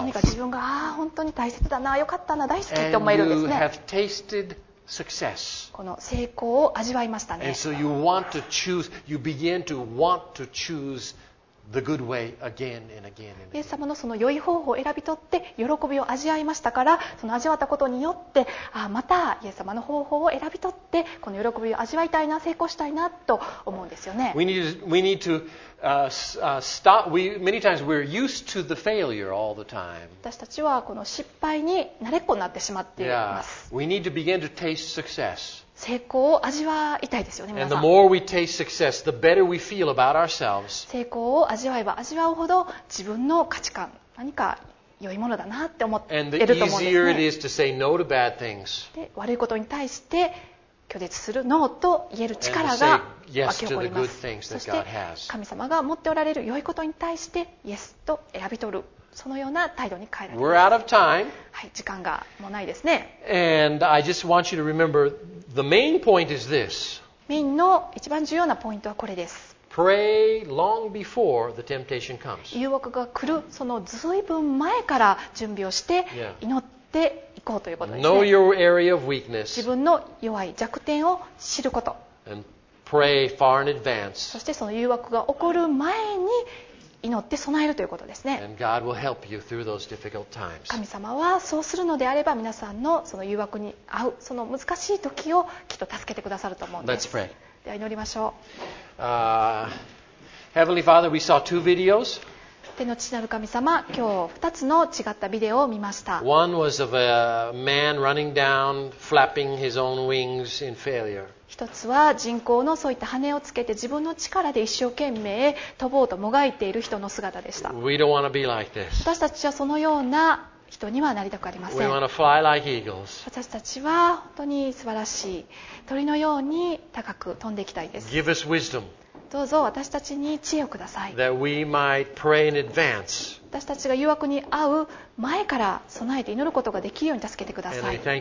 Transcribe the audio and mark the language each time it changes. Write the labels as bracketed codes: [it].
[ja] 何か自分が本当に大切だな、よかったな、大好きって思えるんですね。 [en] And you have tasted success. [ja] この成功を味わいましたね。 [en] And so you want to choose, you begin to want to choose the good way again and again and again. [ja] イエス様のその良い方法を選び取って喜びを味わいましたから、その味わったことによって、またイエス様の方法を選び取ってこの喜びを味わいたいな、成功したいなと思うんですよね。 [en] We need to stop. Many times we're used to the failure all the time. [ja] 私たちはこの失敗に慣れっこになってしまっています。 [en] Yeah. We need to begin to taste success. [ja] 成功を味わいたいですよね、皆さん。 [en] And the more we taste success, the better we feel about ourselves. [ja] 成功を味わえば味わうほど自分の価値観、何か良いものだなって思っていると思うんですね。 [en] And the easier it is to say no to bad things. [ja] で、悪いことに対して拒絶するノーと言える力が湧き起こります。そして神様が持っておられる良いことに対してイエスと選び取る。そのような態度に変えられます。 [en] We're out of time. [ja] はい、時間がもうないですね。 [en] And I just want you to remember the main point is this. [ja] メインの一番重要なポイントはこれです。 [en] Pray long before the temptation comes. [ja] 誘惑が来るそのずいぶん前から準備をして祈っていこうということですね。 [en] Know your area of weakness. [ja] 自分の弱い弱点を知ること。 [en] And pray far in advance. [ja] そしてその誘惑が起こる前に祈って備えるということですね。 [en] And God will help you through those difficult times. [ja] 神様はそうするのであれば皆さんのその誘惑に合うその難しい時をきっと助けてくださると思うんです。 [en] Let's pray. [ja] では祈りましょう。 [en] Heavenly Father, we saw two videos. [ja] 天の父なる神様、今日2つの違ったビデオを見ました。 [en] One was of a man running down, flapping his own wings in failure. [ja] 一つは人工のそういった羽をつけて自分の力で一生懸命飛ぼうともがいている人の姿でした。 [en] We don't want to be like this. [ja] 私たちはそのような人にはなりたくありません。 [en] We want to fly like eagles. [ja] 私たちは本当に素晴らしい鳥のように高く飛んでいきたいです。 [en] Give us wisdom. [ja] どうぞ私たちに知恵をください。 [en] That we might pray in advance. [ja] 私たちが誘惑に会う前から備えて祈ることができるように助けてください。